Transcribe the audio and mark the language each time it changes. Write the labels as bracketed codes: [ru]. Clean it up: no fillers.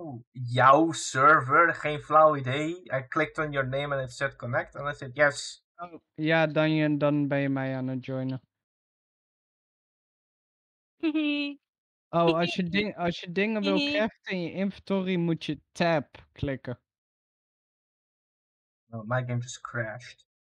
[nl] Jouw server, geen flauw idee. [en] I clicked on your name and it said connect and I said yes. [nl] Oh, ja, dan ben je mij aan het joinen. Oh, als je dingen wil krijgen in je inventory, moet je tab klikken. [en] No, my game just crashed.